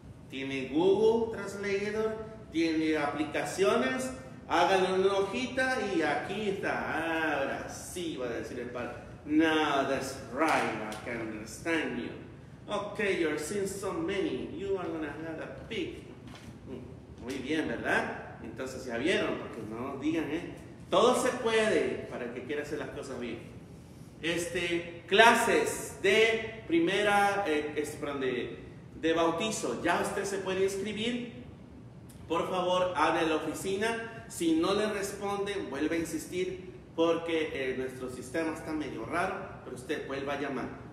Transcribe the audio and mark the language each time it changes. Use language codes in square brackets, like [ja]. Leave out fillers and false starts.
[es] Tiene Google Translator, tiene aplicaciones, hágale una hojita y aquí está. Ahora sí, va a decir el padre. [en] Now that's right, I can understand you. Okay, you're seeing so many, you are gonna have a pick. [es] Muy bien, ¿verdad? Entonces ya vieron, porque no nos digan, ¿eh? Todo se puede para el que quiera hacer las cosas bien. Clases de primera, de bautizo, ya usted se puede inscribir. Por favor, hable a la oficina. Si no le responde, vuelva a insistir, porque nuestro sistema está medio raro, pero usted vuelva a llamar.